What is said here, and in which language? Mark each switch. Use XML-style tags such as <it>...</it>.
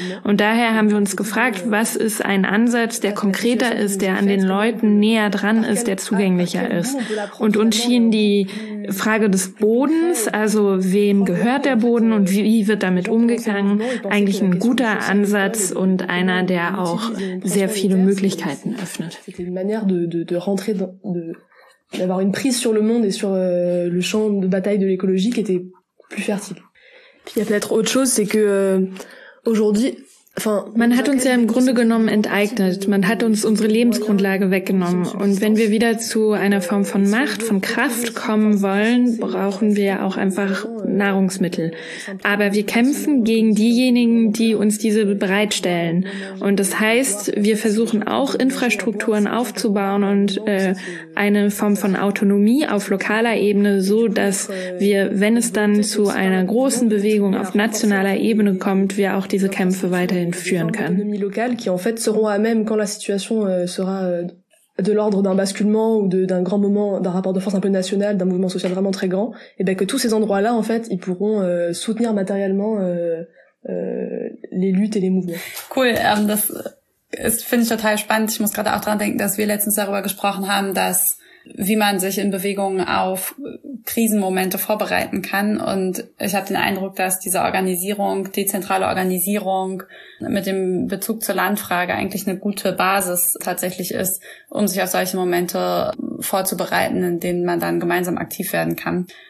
<de>Und daher haben wir uns gefragt, was ist ein Ansatz, der konkreter ist, der an den Leuten näher dran ist, der zugänglicher ist. Und uns schien die Frage des Bodens, also wem gehört der Boden und wie wird damit umgegangen, eigentlich ein guter Ansatz und einer, der auch sehr viele Möglichkeiten öffnet.</de> <fr>C'était une manière de rentrer d'avoir une prise sur le monde et sur le champ de bataille de l'écologie qui était plus fertile. Puis il y a peut-être autre chose, c'est que aujourd'hui</fr> <de>man hat uns ja im Grunde genommen enteignet. Man hat uns unsere Lebensgrundlage weggenommen. Und wenn wir wieder zu einer Form von Macht, von Kraft kommen wollen, brauchen wir auch einfach Nahrungsmittel. Aber wir kämpfen gegen diejenigen, die uns diese bereitstellen. Und das heißt, wir versuchen auch Infrastrukturen aufzubauen und eine Form von Autonomie auf lokaler Ebene, so dass wir, wenn es dann zu einer großen Bewegung auf nationaler Ebene kommt, wir auch diese Kämpfe weiter führen kann.</de> <fr>Autonomie locale qui en fait seront à même quand la situation sera de l'ordre d'un basculement ou d'un grand moment d'un rapport de force un peu national d'un mouvement social vraiment très grand et ben que tous ces endroits là en fait ils pourront soutenir matériellement les luttes et les mouvements.</fr> <de>Cool, das ist finde ich total spannend. Ich muss gerade auch dran denken, dass wir letztens darüber gesprochen haben, dass wie man sich in Bewegungen auf Krisenmomente vorbereiten kann. Und ich habe den Eindruck, dass diese Organisierung, dezentrale Organisierung mit dem Bezug zur Landfrage eigentlich eine gute Basis tatsächlich ist, um sich auf solche Momente vorzubereiten, in denen man dann gemeinsam aktiv werden kann.</de>